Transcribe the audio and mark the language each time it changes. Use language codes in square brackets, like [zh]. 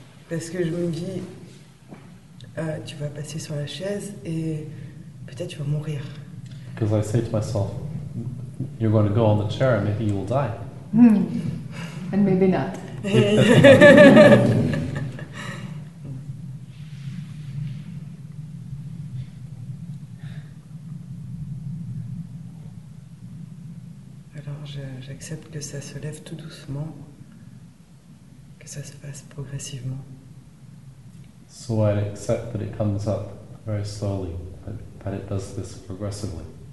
[fr] Parce que je me dis, tu vas passer sur la chaise et peut-être tu vas mourir. [en] Because I say to myself, you're going to go on the chair and maybe you will die. And maybe not. [fr] Alors j'accepte que ça se lève tout doucement, que ça se fasse progressivement. [en] So I accept that it comes up very slowly, that it does this progressively.